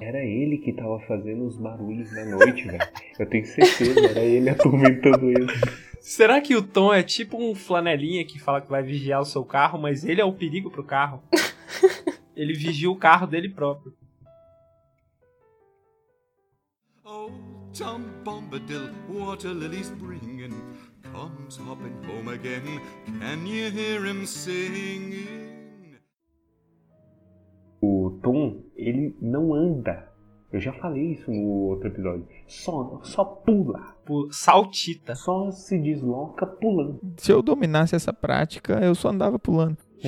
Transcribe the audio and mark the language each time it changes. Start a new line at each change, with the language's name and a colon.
Portuguese: Era ele que tava fazendo os barulhos na noite, velho. Eu tenho certeza, era ele atormentando ele. Será que o Tom é tipo um flanelinha que fala que vai vigiar o seu carro, mas ele é o perigo pro carro? Ele vigia o carro dele próprio.
English: Oh, Tom Bombadil, what a lily's bringing. Comes hopping home again, can you hear him singing?
Portuguese: O Tom, ele não anda. Eu já falei isso no outro episódio. Só pula. Saltita. Só se desloca pulando. Se eu dominasse essa prática, eu só andava pulando.